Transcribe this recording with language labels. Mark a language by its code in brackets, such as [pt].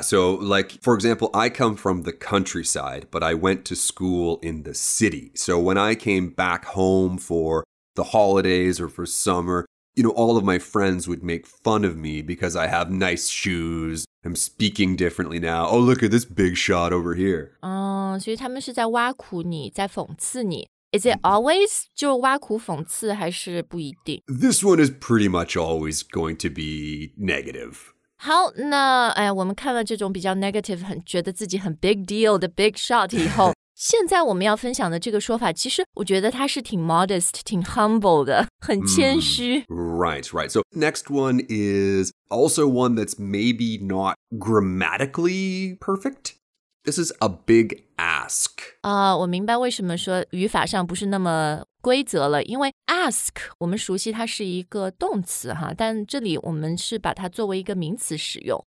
[en] So, like, for example, I come from the countryside, but I went to school in the city. So when I came back home for the holidays or for summer, you know, all of my friends would make fun of me because I have nice shoes, I'm speaking differently now. Oh, look at this big shot over here. [zh] 所以他们是在挖苦你，在讽刺你。 [en] Is it always [zh] 就挖苦讽刺还是不一定? [en] This one is pretty much always going to be negative. [zh] 好，那我们看了这种比较 negative, 很觉得自己很 big deal 的 big shot 以后，现在我们要分享的这个说法，其实我觉得它是挺 modest, 挺 humble 的，很谦虚。 [en] Right, right. So next one is also one that's maybe not grammatically perfect. This is a big ask. [zh] 我明白为什么说语法上不是那么规则了，因为 ask 我们熟悉它是一个动词哈，但这里我们是把它作为一个名词使用。